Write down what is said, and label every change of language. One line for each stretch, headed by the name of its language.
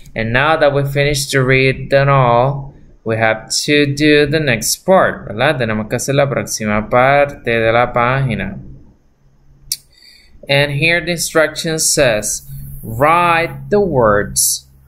English: And now that we finished to read them all, we have to do the next part, ¿verdad?
Spanish: Tenemos que hacer la próxima parte de la página.
English: And here the instruction says, write the words.